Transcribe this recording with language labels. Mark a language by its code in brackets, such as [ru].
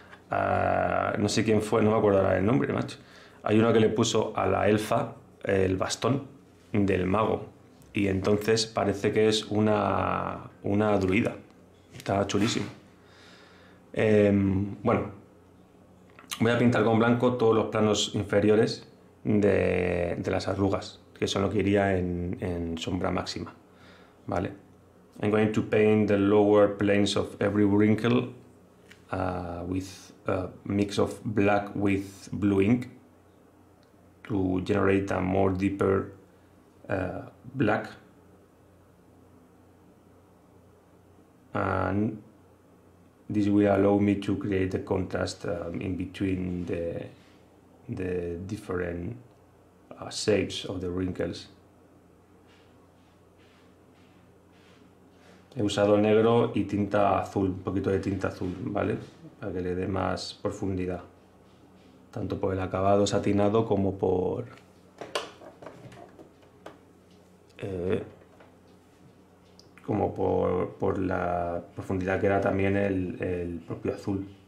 [es] No sé quién fue, no me acuerdo el nombre, macho. Hay uno que le puso a la elfa el bastón del mago y entonces parece que es una druida. Está chulísimo. Bueno. Voy a pintar con blanco todos los planos inferiores de las arrugas, que son lo que iría en sombra máxima, ¿vale? [en] I'm going to paint the lower planes of every wrinkle with mix of black with blue ink to generate a more deeper black. And this will allow me to create a contrast in between the different shapes of the wrinkles. [es] He usado negro y tinta azul, un poquito de tinta azul, ¿vale? Para que le dé más profundidad, tanto por el acabado satinado como por como por la profundidad que da también el propio azul.